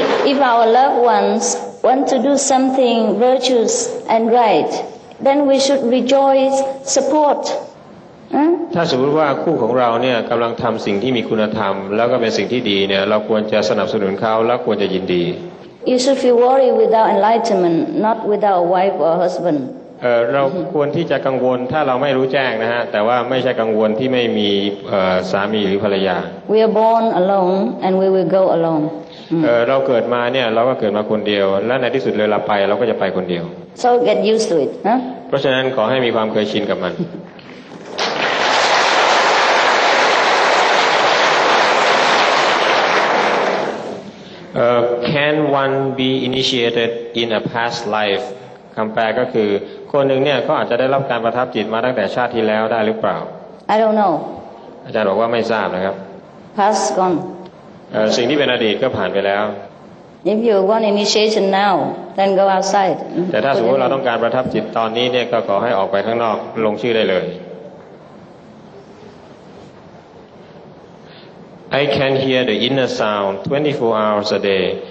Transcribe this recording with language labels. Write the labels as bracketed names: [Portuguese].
[English] If our loved ones want to do something virtuous and right then we should rejoice support [Thai] ถ้าสมมติว่าคู่ของเราเนี่ยกำลังทำสิ่งที่มีคุณธรรมแล้วก็เป็นสิ่งที่ดีเนี่ยเราควรจะสนับสนุนเขาและควรจะยินดี [English] You should feel worried without enlightenment, not without a wife or a husband. [Thai] เราควรที่จะกังวลถ้าเราไม่รู้แจ้งนะฮะแต่ว่าไม่ใช่กังวลที่ไม่มีสามีหรือภรรยา [English] We are born alone and we will go alone [Thai] เราเกิดมาเนี่ยเราก็เกิดมาคนเดียวและในที่สุดเราไปเราก็จะไปคนเดียว [English] So get used to it huh? [Thai] เพราะฉะนั้นขอให้มีความเคยชินกับมัน [English] can one be initiated in a past life [Thai] คำแปลก็คือคนหนึ่งเนี่ยเขาอาจจะได้รับการประทับจิตมาตั้งแต่ชาติที่แล้วได้หรือเปล่า [English] I don't know [Thai] อาจารย์บอกว่าไม่ทราบนะครับ [English] past gone [Thai] สิ่งที่เป็นอดีตก็ผ่านไปแล้ว [English] if you want initiation now then go outside [Thai] แต่ถ้าสมมติเราต้องการประทับจิตตอนนี้เนี่ยก็ขอให้ออกไปข้างนอกลงชื่อได้เลย [English] I can hear the inner sound 24 hours a day.